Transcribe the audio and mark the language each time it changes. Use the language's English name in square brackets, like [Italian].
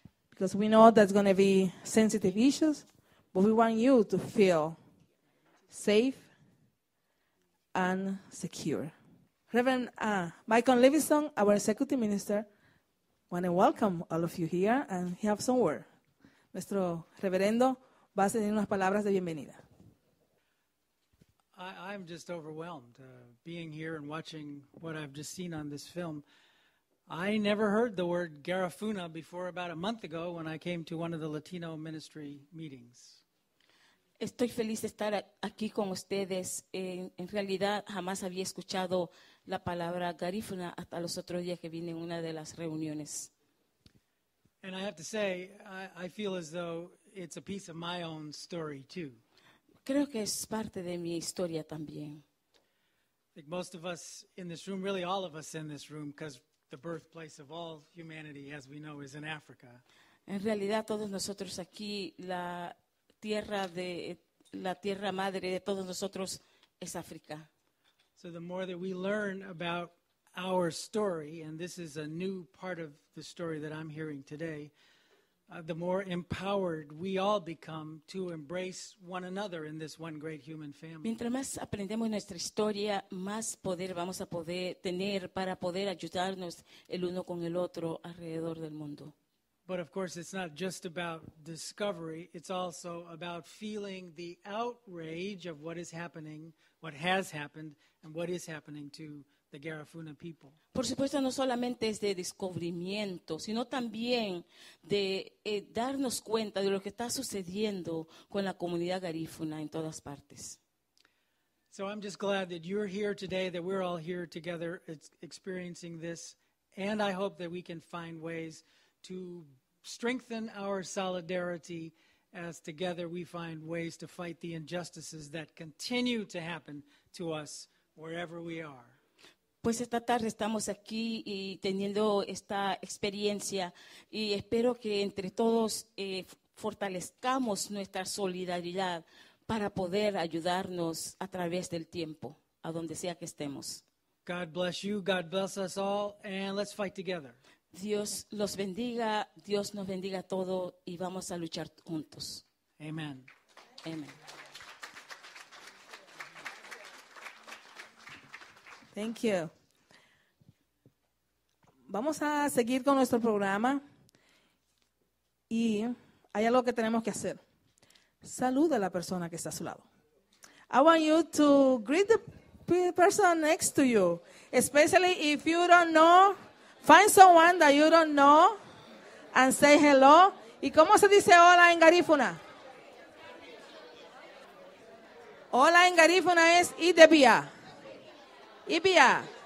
[English] Because we know there's going to be sensitive issues, but we want you to feel safe and secure. Reverend Michael Livingston, our executive minister, I want to welcome all of you here, and he has some word. [Spanish] Nuestro reverendo va a tener unas palabras de bienvenida. [English] I'm just overwhelmed being here and watching what I've just seen on this film. I never heard the word Garifuna before about a month ago when I came to one of the Latino ministry meetings. [Spanish] Estoy feliz de estar aquí con ustedes. En realidad, jamás había escuchado la palabra garífuna hasta los otros días que vine en una de las reuniones. [English] And I have to say, I feel as though it's a piece of my own story too. [Spanish] Creo que es parte de mi historia también. [English] I think most of us in this room, really all of us in this room, because the birthplace of all humanity, as we know, is in Africa. [Spanish] En realidad, todos nosotros aquí, la tierra madre de todos nosotros es África. [English] So the more that we learn about our story, and this is a new part of the story that I'm hearing today, the more empowered we all become to embrace one another in this one great human family. [Spanish] Mientras más aprendemos nuestra historia, más poder vamos a poder tener para poder ayudarnos el uno con el otro alrededor del mundo. [English] But of course, it's not just about discovery. It's also about feeling the outrage of what is happening, what has happened, and what is happening to the Garifuna people. [Spanish] Por supuesto, no solamente es de descubrimiento, sino también de darnos cuenta de lo que está sucediendo con la comunidad garífuna en todas partes. [English] So I'm just glad that you're here today, that we're all here together experiencing this, and I hope that we can find ways to strengthen our solidarity as together we find ways to fight the injustices that continue to happen to us wherever we are. [Spanish] Pues esta tarde estamos aquí y teniendo esta experiencia y espero que entre todos fortalezcamos nuestra solidaridad para poder ayudarnos a través del tiempo, a donde sea que estemos. [English] God bless you, God bless us all, and let's fight together. [Spanish] Dios los bendiga, Dios nos bendiga a todos y vamos a luchar juntos. [English] Amen. Amen. Thank you. [Spanish] Vamos a seguir con nuestro programa y hay algo que tenemos que hacer. Saluda a la persona que está a su lado. [English] I want you to greet the person next to you, especially if you don't know. Find someone that you don't know and say hello. [Spanish] ¿Y cómo se dice hola en garífuna? Hola en garífuna es Idebia. Idebia.